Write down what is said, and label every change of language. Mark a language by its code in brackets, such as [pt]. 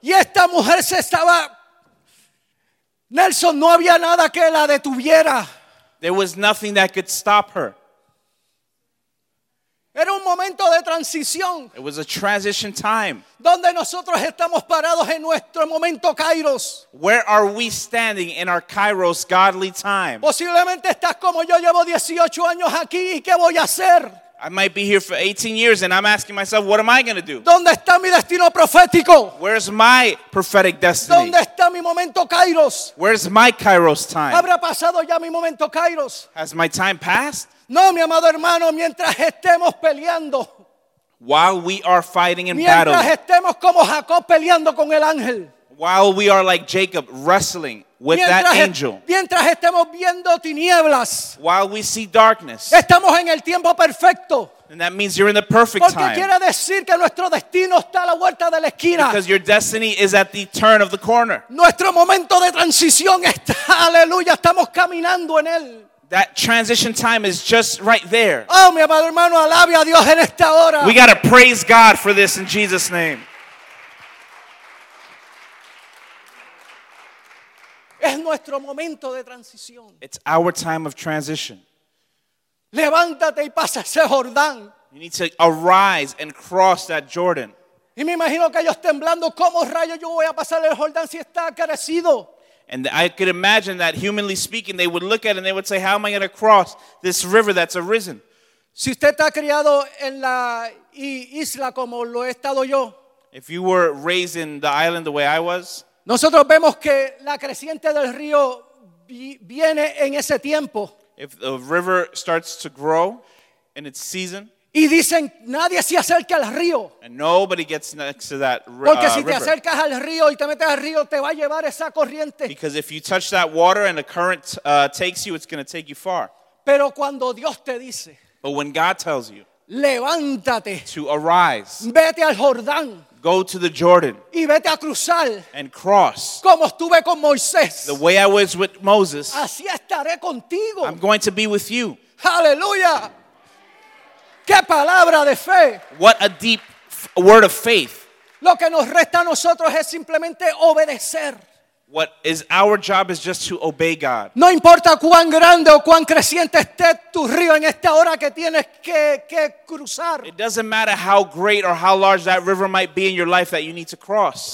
[es] Y esta mujer se estaba, Nelson, no había nada que la detuviera. [en] There was nothing that could stop her. [es] Era un momento de transición. [en] It was a transition time. [es] Donde nosotros estamos parados en nuestro momento kairos. [en] Where are we standing in our kairos godly time? [es] Posiblemente estás como yo, llevo 18 años aquí, ¿y qué voy a hacer? [en] I might be here for 18 years and I'm asking myself, what am I going to do? [es] ¿Dónde está mi destino profético? [en] Where's my prophetic destiny? [es] ¿Dónde está mi momento kairos? [en] Where's my kairos time? [es] ¿Habrá pasado ya mi momento kairos? [en] Has my time passed? [es] No, mi amado hermano, mientras estemos peleando. [en] While we are fighting in [es] mientras Mientras estemos como Jacob peleando con el ángel. [en] While we are like Jacob wrestling with [es] mientras, [en] that angel. [es] Mientras estemos viendo tinieblas. [en] While we see darkness. [es] Estamos en el tiempo perfecto. [en] And that means you're in the perfect [es] porque [en] time. [es] Porque quiere decir que nuestro destino está a la vuelta de la esquina. [en] Because your destiny is at the turn of the corner. [es] Nuestro momento de transición está, aleluya, estamos caminando en él. [en] That transition time is just right there. [es] Oh, mi amado hermano, alabe a Dios en esta hora. [en] We got to praise God for this in Jesus' name. [es] Es nuestro momento de transición. [en] It's our time of transition. [es] Levántate y pasa ese Jordán. [en] You need to arise and cross that Jordan. [es] Y me imagino que ellos temblando, ¿cómo rayos yo voy a pasar el Jordán si está crecido? [en] And I could imagine that, humanly speaking, they would look at it and they would say, how am I going to cross this river that's arisen? [es] Si usted está criado en la isla como lo he estado yo. [en] If you were raised in the island the way I was. [es] Nosotros vemos que la creciente del río viene en ese tiempo. [en] If the river starts to grow in its season. [es] Y dicen, nadie se acerca al río. [en] And nobody gets next to that river. [es] Porque si te [en] river. [es] Acercas al río y te metes al río, te va a llevar esa corriente. [en] Because if you touch that water and the current takes you, it's going to take you far. [es] Pero cuando Dios te dice. [en] But when God tells you. [es] Levántate. [en] To arise. [es] Vete al Jordán. [en] Go to the Jordan. [es] Y vete a cruzar. [en] And cross. [es] Como estuve con Moisés. [en] The way I was with Moses. [es] Así estaré contigo. [en] I'm going to be with you. [es] Hallelujah. ¿Qué palabra de fe? [en] What a deep word of faith. [es] Lo que nos resta a nosotros es simplemente obedecer. [en] What is our job is just to obey God. [es] No importa cuán grande o cuán creciente esté tu río en esta hora que tienes que cruzar. [en] It doesn't matter how great or how large that river might be in your life that you need to cross.